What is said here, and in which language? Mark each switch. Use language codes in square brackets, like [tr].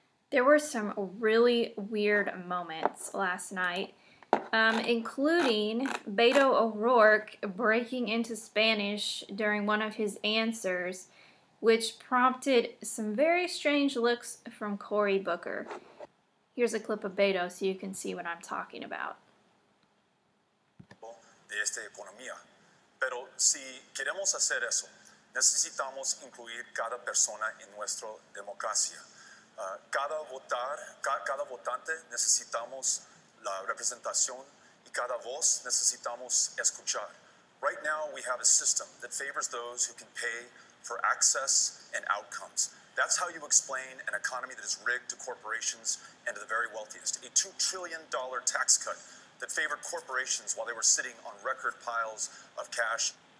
[en] There were some really weird moments last night, including Beto O'Rourke breaking into Spanish during one of his answers, which prompted some very strange looks from Cory Booker. Here's a clip of Beto so you can see what I'm talking about. [es] De esta economía. Pero si queremos hacer eso, necesitamos incluir cada persona en nuestra democracia. Cada votante necesitamos la representación y cada voz necesitamos escuchar. [en] Right now we have a system that favors those who can pay for access and outcomes. That's how you explain an economy that is rigged to corporations and to the very wealthiest. A $2 trillion tax cut that favored corporations while they were sitting on record piles of cash.